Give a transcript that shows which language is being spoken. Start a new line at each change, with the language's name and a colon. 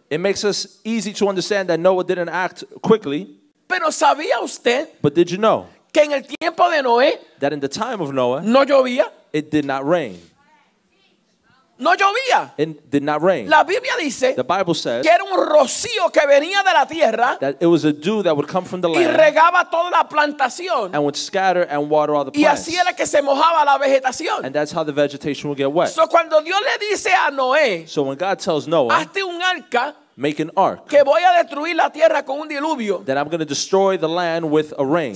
English: It makes us easy to understand that Noah didn't act quickly.
Spanish: Pero ¿sabía usted?
English: But did you know?
Spanish: Que en el tiempo de Noé,
English: that in the time of Noah,
Spanish: no llovía.
English: It did not rain.
Spanish: No llovía.
English: It did not rain.
Spanish: La Biblia dice,
English: the Bible says,
Spanish: que era un rocío que venía de la tierra,
English: that it was a dew that would come from the land,
Spanish: y regaba toda la plantación,
English: and would scatter and water all the plants.
Spanish: Y así era que se mojaba la vegetación.
English: And that's how the vegetation would get wet.
Spanish: So cuando Dios le dice a Noé,
English: so when God tells Noah,
Spanish: hazte un arca,
English: make an ark,
Spanish: que voy a destruir la tierra con un diluvio,
English: that I'm going to destroy the land with a rain.